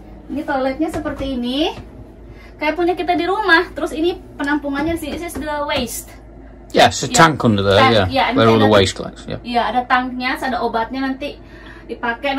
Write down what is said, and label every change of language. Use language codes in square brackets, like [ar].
[id] Ini toiletnya seperti ini. Kayak punya kita di rumah. Terus ini penampungannya sih, [en] this is the waste. Yes, a tank under there, where all the waste collects. [id] Yeah, ada tanknya, ada obatnya nanti dipakai.